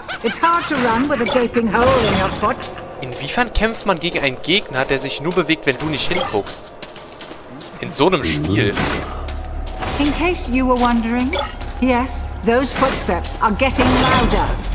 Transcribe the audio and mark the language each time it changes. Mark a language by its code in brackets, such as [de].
[en] It's hard to run with a gaping hole in your foot. [de] Inwiefern kämpft man gegen einen Gegner, der sich nur bewegt, wenn du nicht hinguckst? In so einem Spiel. [en] In case you were wondering, yes, those footsteps are getting louder.